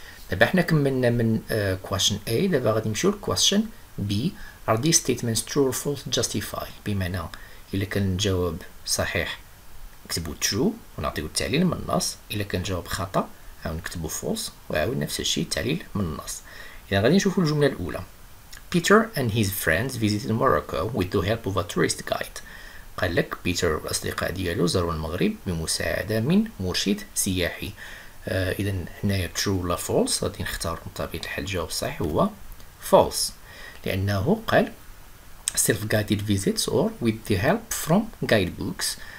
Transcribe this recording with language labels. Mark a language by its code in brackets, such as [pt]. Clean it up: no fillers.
[ar] دابا حنا كملنا من question A، دابا غادي نمشيو ل question B. [en] Are these statements true or false justify؟ [ar] بمعنى إلا كان الجواب صحيح نكتبو true ونعطيو التعليل من النص، إلا كان الجواب خطأ عاود نكتبو false وعاود نفس الشيء التعليل من النص. إذا غادي نشوفو الجملة الأولى. [en] Peter and his friends visited Morocco with the help of a tourist guide. [ar] قال لك بيتر والأصدقاء ديالو زاروا المغرب بمساعدة من مرشد سياحي. إذا هنايا true ولا false؟ غادي نختار بطبيعة الحال الجواب الصحيح هو false، لأنه قال [en] self-guided visits or with the help from guidebooks.